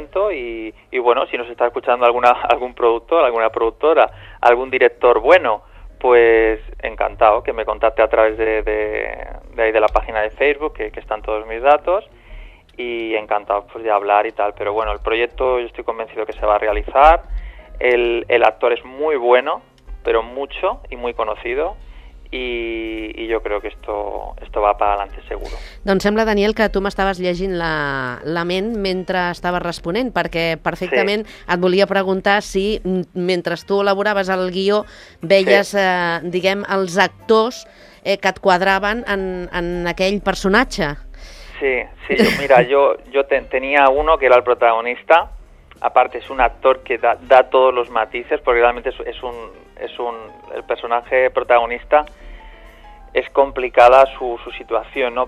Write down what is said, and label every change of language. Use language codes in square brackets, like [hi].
[es] y bueno, si nos está escuchando algún productor, alguna productora, algún director bueno, pues encantado que me contacte a través de ahí de la página de Facebook, que están todos mis datos, y encantado pues de hablar y tal, pero bueno, el proyecto yo estoy convencido que se va a realizar, el actor es muy bueno, pero mucho y muy conocido, y yo creo que esto va para adelante seguro. [ca] Doncs sembla, Daniel, que tu m'estaves llegint la ment mentre estaves responent, perquè perfectament sí. Et volia preguntar si mentre tu elaboraves el guió veies, sí. Diguem, els actors que et quadraven en aquell personatge. [es] Sí, sí, mira, yo tenía uno que era el protagonista, aparte es un actor que da todos los matices, porque realmente el personaje protagonista es complicada su situación, ¿no?